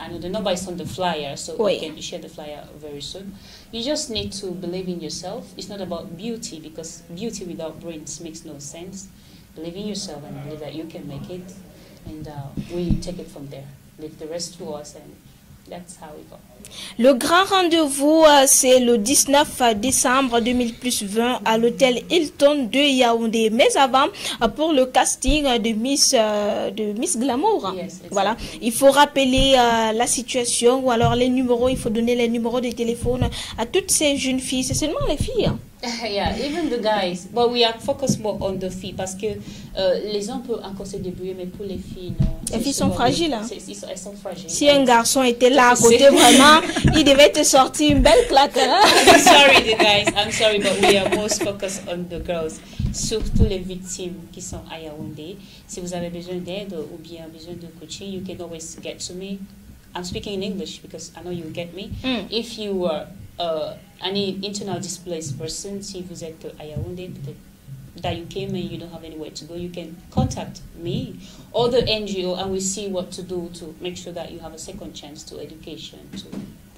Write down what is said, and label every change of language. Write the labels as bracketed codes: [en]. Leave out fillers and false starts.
[en] I know the number is on the flyer, so you can share the flyer very soon. You just need to believe in yourself. It's not about beauty, because beauty without brains makes no sense. Believe in yourself and believe that you can make it, and we take it from there. Leave the rest to us, and that's how we go. [fr] Le grand rendez-vous, c'est le 19 décembre 2020 à l'hôtel Hilton de Yaoundé. Mais avant, pour le casting de Miss Glamour, voilà, il faut rappeler la situation ou alors les numéros. Il faut donner les numéros de téléphone à toutes ces jeunes filles. C'est seulement les filles. [en] Yeah, even the guys. But we are focused more on the [fr] filles parce que les hommes peuvent encore se débrouiller, mais pour les filles, non. Les filles sont fragiles. Elles sont fragiles. Si un garçon était là à côté, vraiment, il devait te sortir une belle claque. Hein? [en] Sorry, the guys. I'm sorry, but we are most focused on the girls. [fr] Surtout les victimes qui sont à Yaoundé. Si vous avez besoin d'aide ou bien besoin de coaching, [en] you can always get to me. I'm speaking in English because I know you'll get me. If you were any internal displaced person, [fr] si vous êtes à Yaoundé, [en] peut-être that you came and you don't have anywhere to go, you can contact me or the NGO and we see what to do to make sure that you have a second chance to education, to